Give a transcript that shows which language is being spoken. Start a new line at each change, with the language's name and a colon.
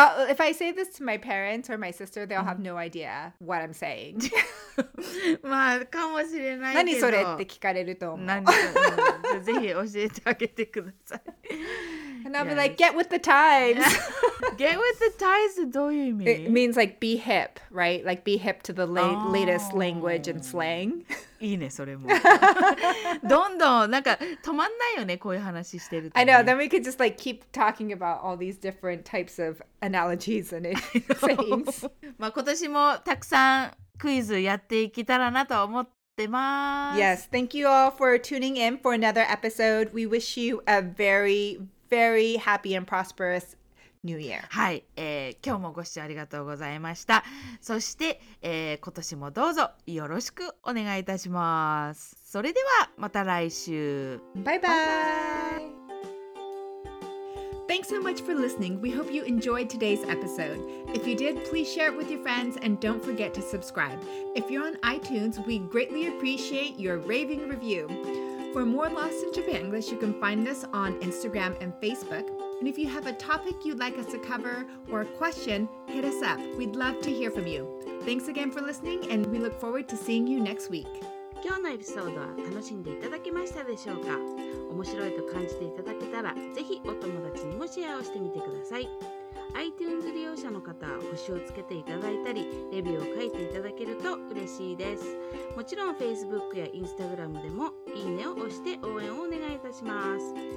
English: If I say this to my parents or my sister, they'll have no idea what I'm saying.
Japanese: まあ、かもしれないけど。何それって聞かれると思う。何それ。ぜひ教えてあげてください。
English: And I'll be like, get with the times. Get with the times
Japanese: どういう意味?
English: It means like be hip, right? Like be hip to the latest language and slang.
Japanese: いいね、それも。どんどん、なんか止まんないよね、こういう話してると、ね。
English: I know, then we could just like keep talking about all these different types of analogies and sayings.
Japanese: まあ今年もたくさんクイズやっていけたらなと思って。
English: Yes, thank you all for tuning in for another episode. We wish you a very, very happy and prosperous new year.
Japanese: はい、今日もご視聴ありがとうございました。そして、今年もどうぞよろしくお願いいたします。それではまた来週。バイバイ。
English: Thanks so much for listening. We hope you enjoyed today's episode. If you did, please share it with your friends and don't forget to subscribe. If you're on iTunes, we greatly appreciate your raving review. For more Lost in Japan English, you can find us on Instagram and Facebook. And if you have a topic you'd like us to cover or a question, hit us up. We'd love to hear from you. Thanks again for listening and we look forward to seeing you next week.
Japanese: 今日のエピソードは楽しんでいただけましたでしょうか?面白いと感じていただけたら、ぜひお友達にもシェアをしてみてください。 iTunes 利用者の方は星をつけていただいたり、レビューを書いていただけると嬉しいです。もちろん Facebook や Instagram でもいいねを押して応援をお願いいたします。